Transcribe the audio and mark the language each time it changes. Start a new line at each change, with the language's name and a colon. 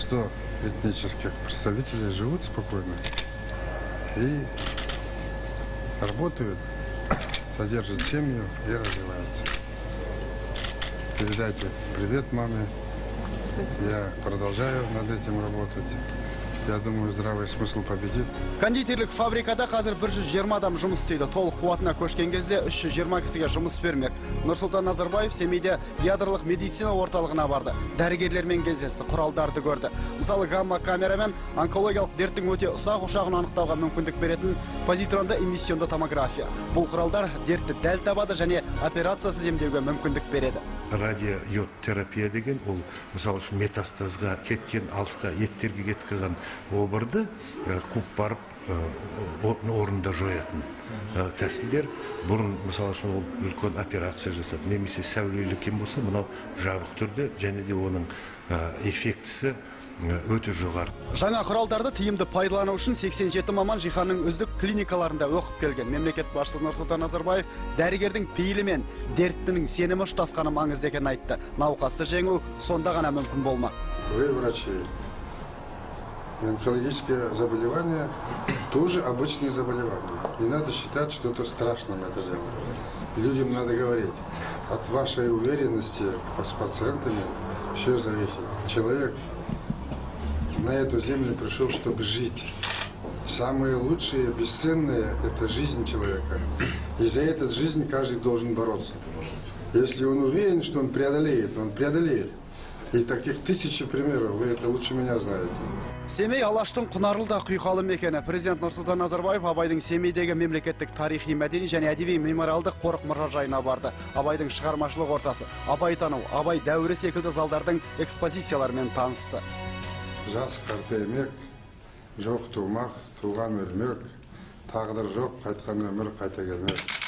Russian: Что этнических представителей живут спокойно и работают, содержат семью и развиваются. Передайте привет маме. Я продолжаю над этим работать. Я думаю, здравый смысл победит.
Kazakh: Кондитерлік фабрикада қазір 120 адам жұмыс істейді. Толық қуатына көшкен кезде 320 кісіге жұмыс бермек. Нұрсұлтан Назарбаев Семейде ядролық медицина орталығына барды. Дәрігерлермен кездесті, құралдарды көрді. Мысалы, гамма-камерамен онкологиялық дерттің өте ұсақ ошағын анықтауға мүмкіндік беретін позитронды эмиссионды томография. Бұл құралдар дертті дәл табады және операциясыз емдеуге мүмкіндік береді. Радио йод терапия деген ол мысалы үшін метастазға кеткен алысқа еттерге кеткен обырды қуып барып орында жоятын тәсілдер. Бұрын мысалы үшін ол үлкен операция жасап, немесе сәулелі кем болса, мынау жабық түрде және де оның эффектісі өте жоғары. Жаңа құралдарды тиімді пайдалану үшін 87 маман жиһанның үздік клиникаларында оқып келген. Мемлекет басшысы Нұрсұлтан Назарбаев дәрігердің пейілі мен дерттінің сенімі ұштасқаны маңызды екенін айтты. Науқасты жеңу сонда ғана мүмкін болмақ.
Russian: Вы врачи. Онкологические заболевания тоже обычные заболевания. Не надо считать, что это страшно на это дело. Людям надо говорить. От вашей уверенности с пациентами все зависит. Человек на эту землю пришел, чтобы жить. Самые лучшие, бесценные – это жизнь человека. И за эту жизнь каждый должен бороться. Если он уверен, что он преодолеет. И таких тысячи примеров, вы это лучше меня знаете.
Kazakh: Семей Алаштың құнарлы да құйқалы мекені. Президент Нұрсұлтан Назарбаев Абайдың Семейдегі мемлекеттік тарихи мәдени және әдеби мемориалдық қорық мұражайына барды. Абайдың шығармашылық ортасы, Абайтану, Абай дәуірі секілді залдардың экспозицияларымен танысты. Жас қартаймек, жоқ тумақ, туған өлмек, тағдыр жоқ қайтқан өмір қайта келмек.